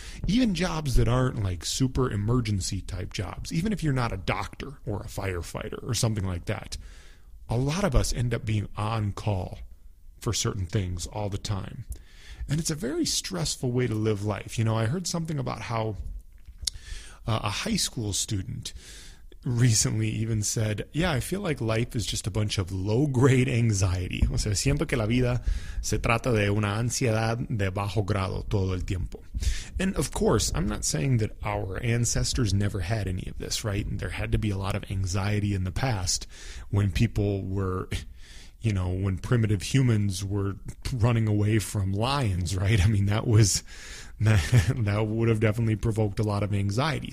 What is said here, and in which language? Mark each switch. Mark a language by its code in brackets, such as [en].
[en] Even jobs that aren't like super emergency type jobs, even if you're not a doctor or a firefighter or something like that, a lot of us end up being on call for certain things all the time. And it's a very stressful way to live life. You know, I heard something about how a high school student recently even said, yeah, I feel like life is just a bunch of low-grade anxiety. [es] O sea, siento que la vida se trata de una ansiedad de bajo grado todo el tiempo. [en] And of course, I'm not saying that our ancestors never had any of this, right? And there had to be a lot of anxiety in the past when people were, you know, when primitive humans were running away from lions, right? I mean, that would have definitely provoked a lot of anxiety.